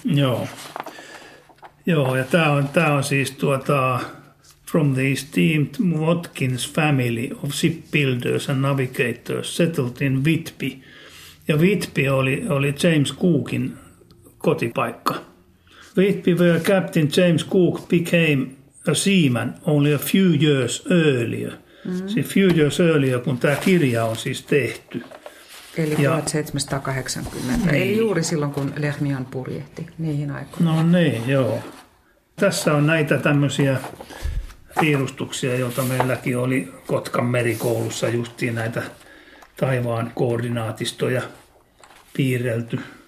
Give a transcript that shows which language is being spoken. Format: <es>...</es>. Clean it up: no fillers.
<fi>Joo. Joo, ja tämä on siis</fi> <en>From the esteemed Watkins family of shipbuilders and navigators settled in Whitby</en> <fi>Ja Whitby oli James Cookin kotipaikka.</fi> <en>Whitby, where Captain James Cook became a seaman only a few years earlier. Mm-hmm.</en> <fi>Siis</fi> <en>few years earlier,</en> <fi>kun tämä kirja on siis tehty. Eli 1780, niin. Eli juuri silloin, kun Lehmian purjehti niihin aikoihin. No niin, joo. Tässä on näitä tämmöisiä piirustuksia, joita meilläkin oli Kotkan merikoulussa justiin näitä taivaan koordinaatistoja piirrelty.</fi>